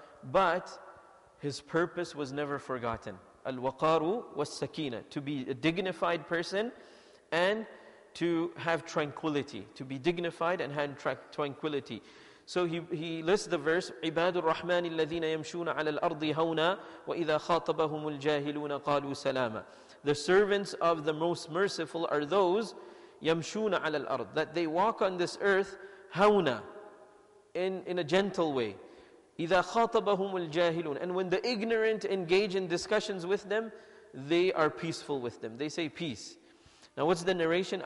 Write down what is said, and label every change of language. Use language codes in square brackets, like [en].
[en] But his purpose was never forgotten. [ar] Al-waqaru was-sakina, [en] to be a dignified person and to have tranquility, to be dignified and have tranquility. So he lists the verse, [ar] عِبَادُ الرَّحْمَنِ الَّذِينَ يَمْشُونَ عَلَى الْأَرْضِ هَوْنَا وَإِذَا خَاطَبَهُمُ الْجَاهِلُونَ قَالُوا سَلَامًا. [en] The servants of the Most Merciful are those, [ar] يَمْشُونَ عَلَى الْأَرْضِ, [en] that they walk on this earth, [ar] هَوْنَا, [en] in a gentle way. [ar] إِذَا خَاطَبَهُمُ الْجَاهِلُونَ, [en] and when the ignorant engage in discussions with them, they are peaceful with them. They say peace. Now what's the narration?